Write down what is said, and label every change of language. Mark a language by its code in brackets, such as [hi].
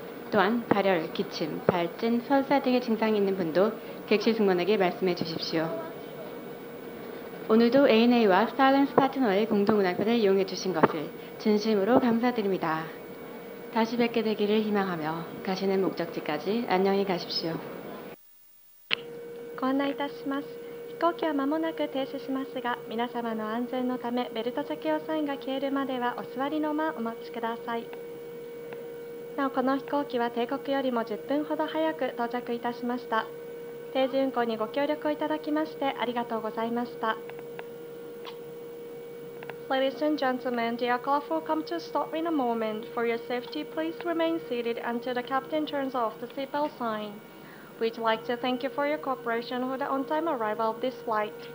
[ko] 또한 발열, 기침, 발진, 설사 등의 증상이 있는 분도 객실 승무원에게 말씀해 주십시오. 오늘도 ANA와 스타일랜스 파트너의 공동운항편을 이용해 주신 것을 진심으로 감사드립니다. 다시 뵙게 되기를 희망하며 가시는 목적지까지 안녕히 가십시오. [ja] ご案内いたします。飛行機は間もなく停止しますが、皆様の安全のためベルト着用サインが消えるまではお座りのままお待ちください。なおこの飛行機は定刻よりも10分ほど早く到着いたしました。定時運行にご協力をいただきましてありがとうございました。 [en] Ladies and gentlemen, the aircraft will come to a stop in a moment. For your safety, please remain seated until the captain turns off the seatbelt sign. We'd like to thank you for your cooperation for the on-time arrival of this flight.